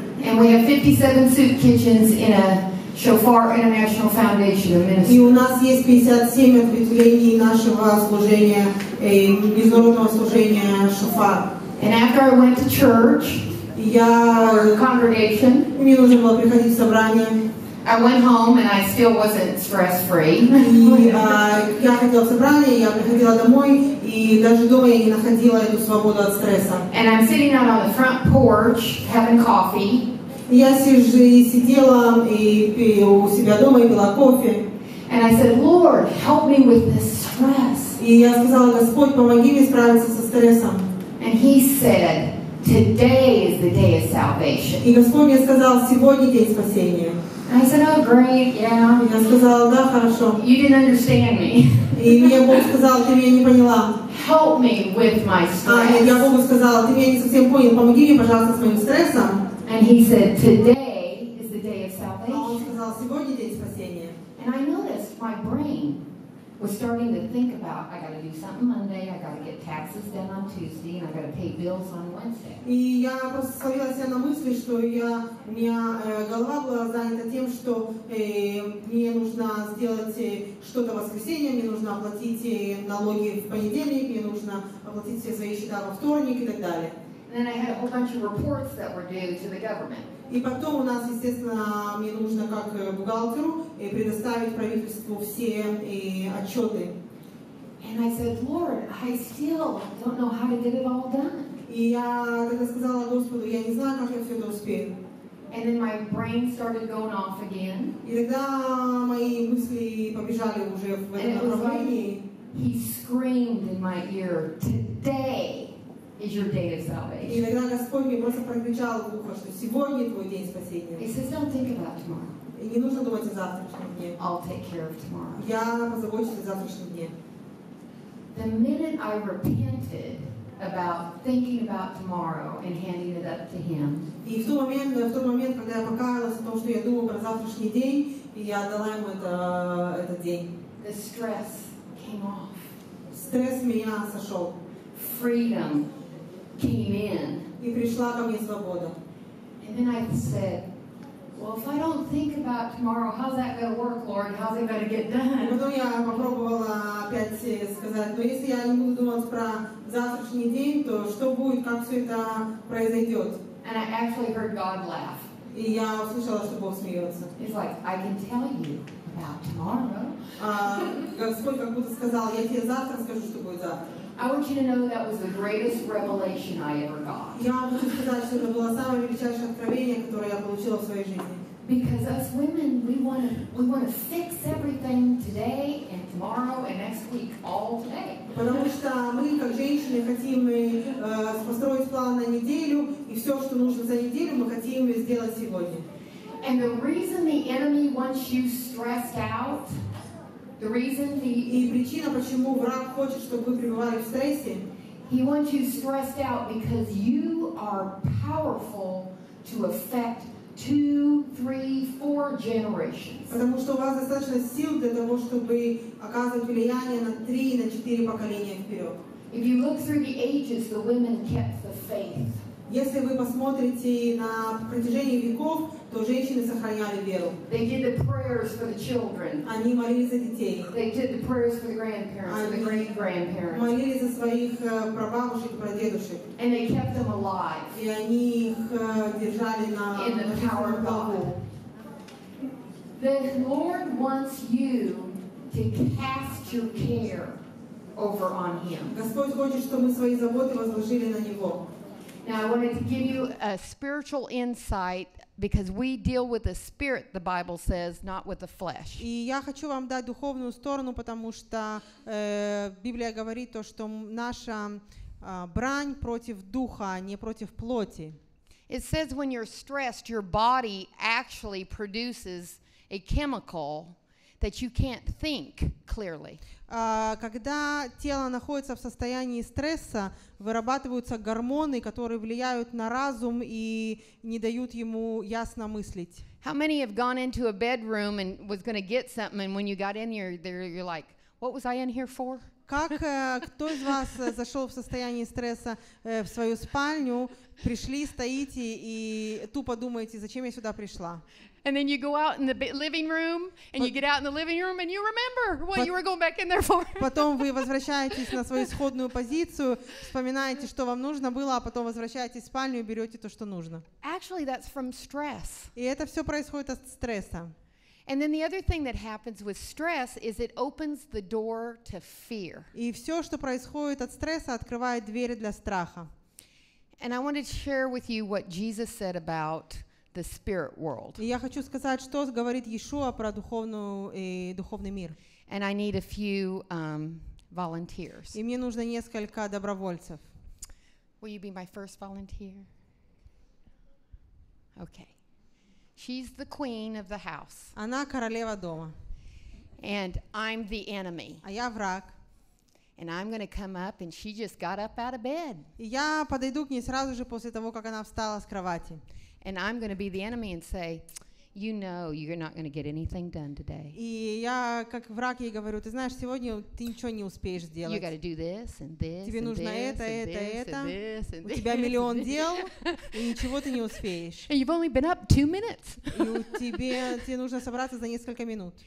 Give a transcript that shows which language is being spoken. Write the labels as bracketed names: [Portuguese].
[English] And we have 57 soup kitchens in a Shofar International Foundation of Ministry. [Russian] И у нас есть 57 ответвлений нашего служения, международного служения Shofar. [English] And after I went to church. [Russian] Мне нужно было приходить в собрание. [English] I went home and I still wasn't stress free. [Russian] Я ходила в собрание, я приходила домой и даже дома я не находила эту свободу от стресса. [English] And I'm sitting out on the front porch having coffee. [Russian] Я сидела и у себя дома и пила кофе. [English] And I said, Lord, help me with this stress. [Russian] И я сказала, Господь, помоги мне справиться со стрессом. [English] And He said. Today is the day of salvation. [Russian] И Господь мне сказал, сегодня день спасения. [English] I said, oh, great, yeah. [Russian] Я сказала, да, хорошо. [English] You didn't understand me. [Russian] И мне Бог сказал, ты меня не поняла. [English] Help me with my stress. [Russian] Я Богу сказала, ты меня не совсем понял. Помоги мне, пожалуйста, с моим стрессом. [English] And He said, today is the day of salvation. [Russian] А Он сказал, сегодня день спасения. [English] And I noticed my brain was starting to think about, I gotta do something Monday, I gotta get taxes done on Tuesday, and I gotta pay bills on Wednesday. [Russian] И я просто словила себя на мысли, что голова была занята тем, что мне нужно сделать что-то в воскресенье, мне нужно оплатить налоги в понедельник, мне нужно оплатить все свои счета во вторник и так далее. [English] And then I had a whole bunch of reports that were due to the government. [Russian] И потом у нас, естественно, мне нужно как бухгалтеру предоставить правительству все отчеты. [English] And I said, Lord, I still don't know how to get it all done. [Russian] И я тогда сказала Господу, я не знаю, как я все это успею. [English] And then my brain started going off again. [Russian] И тогда мои мысли побежали уже в этом направлении. [English] He screamed in my ear, today. Is your day of salvation? [Russian] И иногда Господь мне просто прокричал в ухо, что сегодня твой день спасения. [English] He says, don't think about tomorrow. [Russian] И не нужно думать о завтрашнем дне. [English] I'll take care of tomorrow. [Russian] Я позабочусь о завтрашнем дне. [English] The minute I repented about thinking about tomorrow and handing it up to Him. [Russian] И в тот момент, когда я покаялась о том, что я думаю про завтрашний день я дала ему этот день. [English] The stress came off. [Russian] Стресс меня сошел. [English] Freedom came in. [Russian] И пришла ко мне свобода. [English] And then I said, well, if I don't think about tomorrow, how's that going to work, Lord? How's it going to get done? [Russian] Потом я попробовала опять сказать, но если я не буду думать про завтрашний день, то что будет, как все это произойдет? [English] And I actually heard God laugh. [Russian] И я услышала, что Бог смеется. [English] He's like, I can tell you about tomorrow. [Russian] Господь как будто сказал, я тебе завтра скажу, что будет завтра. [English] I want you to know that was the greatest revelation I ever got. [Russian] Я хочу сказать, что это было самое величайшее откровение, которое я получила в своей жизни. [English] Because us women, we want to fix everything today and tomorrow and next week all day. [Russian] Потому что мы как женщины хотим построить план на неделю и все, что нужно за неделю, мы хотим сделать сегодня. [English] And the reason the enemy wants you stressed out, the reason the [Russian] и причина, почему враг хочет, чтобы вы пребывали в стрессе, [English] he wants you stressed out because you are powerful to affect 2, 3, 4 generations. [Russian] Потому что у вас достаточно сил для того, чтобы оказывать влияние на 3 и на 4 поколения вперед. [English] If you look through the ages, the women kept the faith. [Russian] Если вы посмотрите на протяжении веков, то женщины сохраняли веру. [English] They did the prayers for the children. [Russian] Они молились за детей. [English] They did the prayers for the grandparents, for the great-grandparents. [Russian] Молились за своих прабабушек, прадедушек. [English] And they kept them alive. [Russian] И они их держали на плаву. [English] The Lord wants you to cast your care over on Him. [Russian] Господь хочет, чтобы мы свои заботы возложили на Него. [English] Now I wanted to give you a spiritual insight because we deal with the spirit, the Bible says, not with the flesh. [Russian] И я хочу вам дать духовную сторону, потому что Библия говорит то, что наша брань против духа, а не против плоти. [English] It says when you're stressed, your body actually produces a chemical that you can't think clearly. [Russian] Когда тело находится в состоянии стресса, вырабатываются гормоны, которые влияют на разум и не дают ему ясно мыслить. [English] How many have gone into a bedroom and was going to get something and when you got in there you're like, what was I in here for? [Russian] Как кто из вас зашел в состоянии стресса в свою спальню, пришли, стоите и тупо думаете, зачем я сюда пришла? [English] And then you go out in the living room, and you get out in the living room, and you remember what you were going back in there for. [Russian] Потом вы возвращаетесь на свою исходную позицию, вспоминаете, что вам нужно было, а потом возвращаетесь в спальню и берете то, что нужно. [English] Actually, that's from stress. [Russian] И это все происходит от стресса. [English] And then the other thing that happens with stress is it opens the door to fear. [Russian] И все, что происходит от стресса, открывает двери для страха. [English] And I wanted to share with you what Jesus said about the spirit world. [Russian] Я хочу сказать, что говорит Иешуа про духовный мир. [English] And I need a few volunteers. [Russian] И мне нужно несколько добровольцев. [English] Will you be my first volunteer? Okay. She's the queen of the house. [Russian] Она королева дома. [English] And I'm the enemy. [Russian] А я враг. [English] And I'm going to come up and she just got up out of bed. [Russian] И я подойду к ней сразу же после того, как она встала с кровати. [English] And I'm going to be the enemy and say, you know, you're not going to get anything done today. [Russian] И я как враг ей говорю, ты знаешь, сегодня ты ничего не успеешь сделать. [English] You got to do this and this. [Russian] Тебе нужно это. У тебя миллион дел, и ничего ты не успеешь. [English] And you've only been up 2 minutes. [Russian] И тебе нужно собраться за несколько минут.